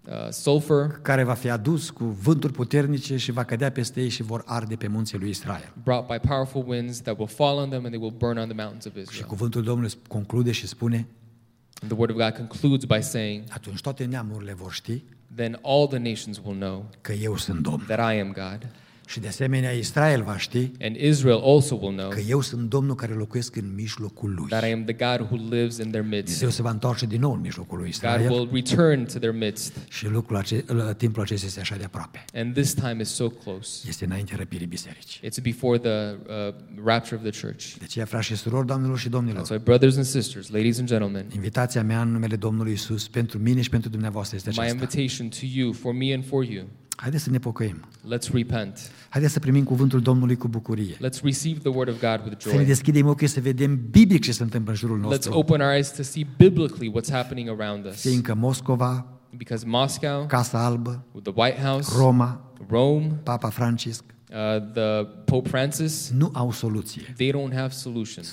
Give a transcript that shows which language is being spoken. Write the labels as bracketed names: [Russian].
[Romanian] sulfur, care va fi adus cu vânturi puternice și va cădea peste ei și vor arde pe munții lui Israel. [English] Brought by powerful winds that will fall on them and they will burn on the mountains of Israel. [Romanian] Și cuvântul Domnului conclude și spune, [English] and the word of God concludes by saying, [Romanian] atunci toate neamurile vor ști, [English] then all the nations will know, [Romanian] că eu sunt Domn, [English] that I am God. [Romanian] Și de asemenea Israel va ști, [English] and Israel also will know, [Romanian] că eu sunt Domnul care locuiesc în mijlocul lui. [English] That I am the God who lives in their midst. [Romanian] Dumnezeu se va întoarce din nou în mijlocul lui Israel. [English] God will return to their midst. [Romanian] Și lucrul timpul acesta este așa de aproape. [English] And this time is so close. [Romanian] Este înaintea răpirii bisericii. [English] It's before the rapture of the church. [Romanian] Deci, frați și surori, doamnelor și domnilor. [English] That's why, brothers and sisters, ladies and gentlemen. [Romanian] Invitația mea în numele Domnului Iisus pentru mine și pentru dumneavoastră este aceasta. [English] My invitation to you, for me and for you. [Romanian] Haideți să ne pocăim. [English] Let's repent. [Romanian] Haideți să primim cuvântul Domnului cu bucurie. [English] Let's receive the word of God with joy. [Romanian] Să ne deschidem ochii să vedem biblic ce se întâmplă în jurul nostru. [English] Let's open our eyes to see biblically what's happening around us. [Romanian] Fiindcă Moscova, [English] because Moscow, [Romanian] Casa Albă, [English] with the White House, [Romanian] Roma, [English] Rome, [Romanian] Papa Francis, [English] the Pope Francis, [Romanian] nu au soluție. [English] They don't have solutions.